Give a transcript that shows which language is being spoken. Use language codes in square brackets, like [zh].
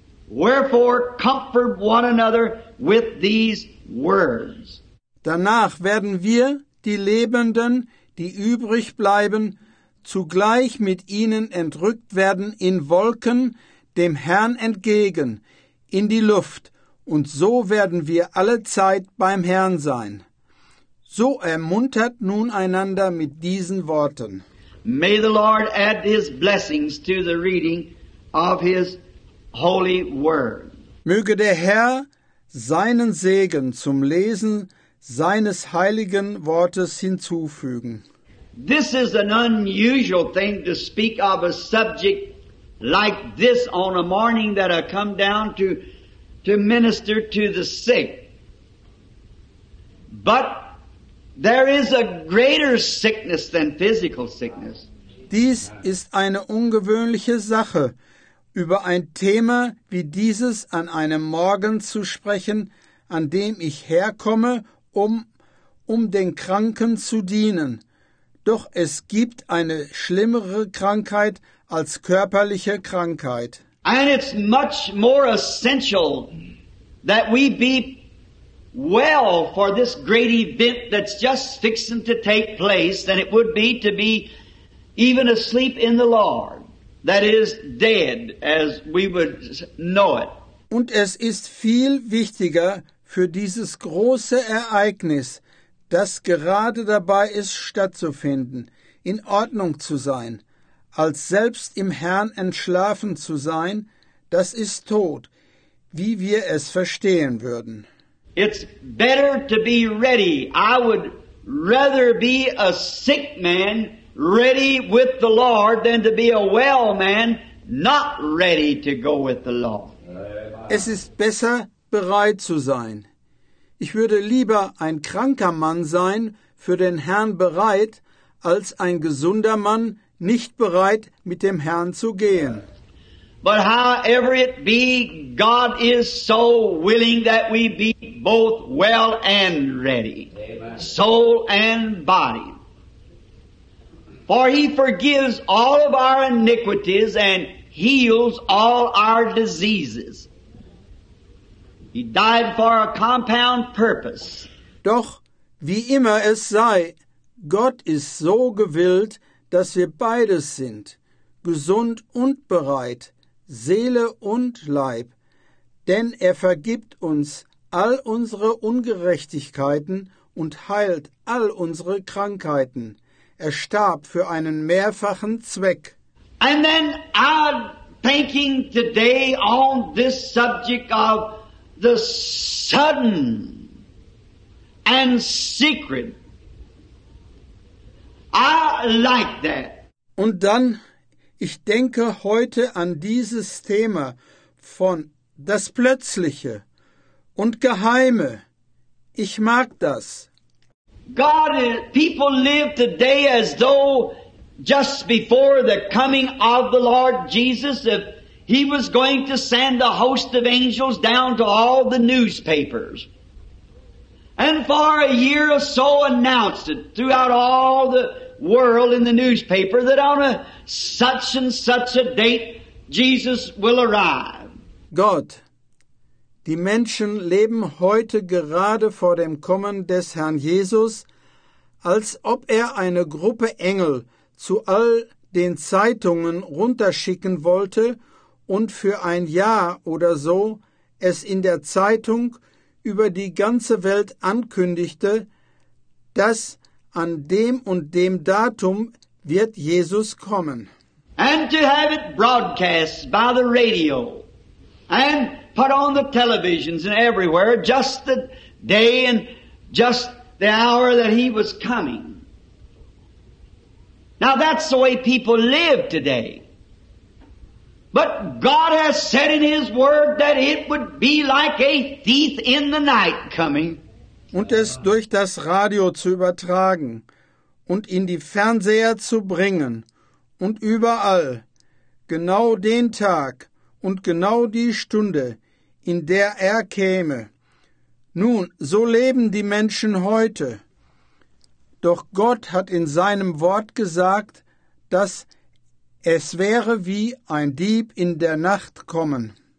[en] Wherefore comfort one another with these words. [de] Danach werden wir, die Lebenden, die übrig bleiben, zugleich mit ihnen entrückt werden in Wolken, dem Herrn entgegen, in die Luft, und so werden wir alle Zeit beim Herrn sein. So ermuntert nun einander mit diesen Worten. [en] May the Lord add his blessings to the reading of his holy word. [de] Möge der Herr seinen Segen zum Lesen seines heiligen Wortes hinzufügen. [en] This is an unusual thing to speak of a subject like this on a morning that I come down to minister to the sick. But there is a greater sickness than physical sickness. [de] Dies ist eine ungewöhnliche Sache, über ein Thema wie dieses an einem Morgen zu sprechen, an dem ich herkomme, um den Kranken zu dienen. Doch es gibt eine schlimmere Krankheit als körperliche Krankheit. [en] And it's much more essential that we be well for this great event that's just fixing to take place than it would be to be even asleep in the Lord. That is dead, as we would know it. [de] Und es ist viel wichtiger für dieses große Ereignis, das gerade dabei ist, stattzufinden, in Ordnung zu sein, als selbst im Herrn entschlafen zu sein, das ist tot, wie wir es verstehen würden. [en] It's better to be ready. I would rather be a sick man ready with the Lord than to be a well man not ready to go with the Lord. [de] Es ist besser, bereit zu sein. Ich würde lieber ein kranker Mann sein, für den Herrn bereit, als ein gesunder Mann, nicht bereit, mit dem Herrn zu gehen. [en] But however it be, God is so willing that we be both well and ready, Amen. Soul and body. For he forgives all of our iniquities and heals all our diseases. He died for a compound purpose. [de] Doch, wie immer es sei, Gott ist so gewillt, dass wir beides sind, gesund und bereit, Seele und Leib. Denn er vergibt uns all unsere Ungerechtigkeiten und heilt all unsere Krankheiten. Er starb für einen mehrfachen Zweck. [en] And then I'm thinking today on this subject of the sudden and secret. I like that. [de] Und dann, ich denke heute an dieses Thema von das Plötzliche und Geheime. Ich mag das. [en] God, people live today as though just before the coming of the Lord Jesus, if he was going to send a host of angels down to all the newspapers and for a year or so announced it throughout all the world in the newspaper that on a such and such a date Jesus will arrive. God. [de] Die Menschen leben heute gerade vor dem Kommen des Herrn Jesus, als ob er eine Gruppe Engel zu all den Zeitungen runterschicken wollte und für ein Jahr oder so es in der Zeitung über die ganze Welt ankündigte, dass an dem und dem Datum wird Jesus kommen. [en] And to have it broadcast by the radio and put on the televisions and everywhere, just the day and just the hour that he was coming. Now that's the way people live today. But God has said in His Word that it would be like a thief in the night coming. [de] Und es durch das Radio zu übertragen und in die Fernseher zu bringen und überall, genau den Tag und genau die Stunde, in der er käme. Nun, so leben die Menschen heute. Doch Gott hat in seinem Wort gesagt, dass es wäre wie ein Dieb in der Nacht kommen.